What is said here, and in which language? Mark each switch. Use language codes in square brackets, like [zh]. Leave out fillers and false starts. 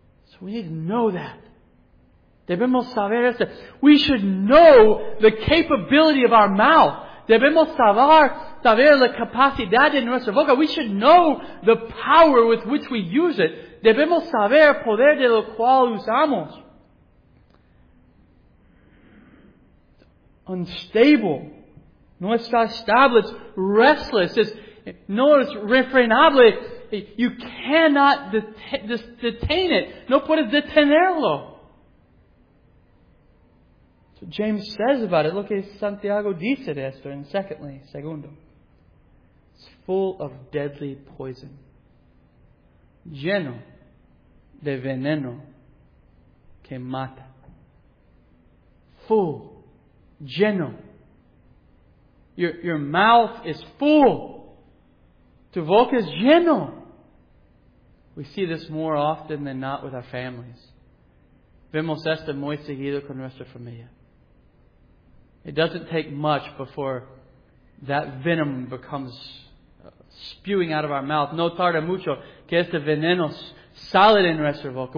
[en] So we need to know that. [es] Debemos saber eso. [en] We should know the capability of our mouth. [es] Debemos saber la capacidad de nuestra boca. [en] We should know the power with which we use it. [es] Debemos saber el poder de lo cual usamos. [en] Unstable. [es] No está estable. [en] It's restless. It's [es] no es refrenable. [en] You cannot detain it. [es] No puedes detenerlo. [en] So James says about it. Look at [es] Santiago dice de esto. [en] And secondly, segundo. It's full of deadly poison. [es] Lleno de veneno que mata. [en] Full. Lleno. Your mouth is full. [es] Tu boca es lleno. [en] We see this more often than not with our families. [es] Vemos esto muy seguido con nuestra familia. [en] It doesn't take much before that venom becomes spewing out of our mouth. [es] No tarda mucho que este veneno sale de nuestra boca.